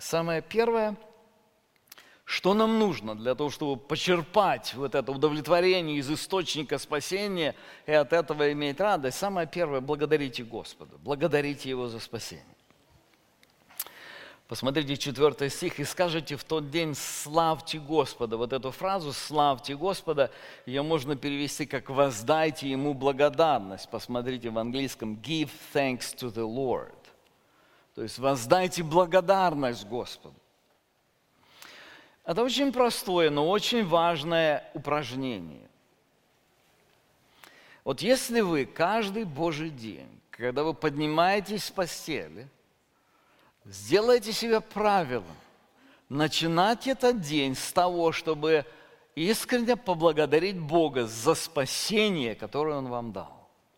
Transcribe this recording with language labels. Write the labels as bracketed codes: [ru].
[ru] Самое первое, что нам нужно для того, чтобы почерпать вот это удовлетворение из источника спасения и от этого иметь радость, самое первое – благодарите Господа, благодарите Его за спасение. Посмотрите 4 стих и скажите в тот день «славьте Господа». Вот эту фразу «славьте Господа» ее можно перевести как «воздайте Ему благодарность». Посмотрите в английском [en] «give thanks to the Lord». [ru] То есть «воздайте благодарность Господу». Это очень простое, но очень важное упражнение. Вот если вы каждый Божий день, когда вы поднимаетесь с постели, сделайте себе правило начинать этот день с того, чтобы искренне поблагодарить Бога за спасение, которое Он вам дал.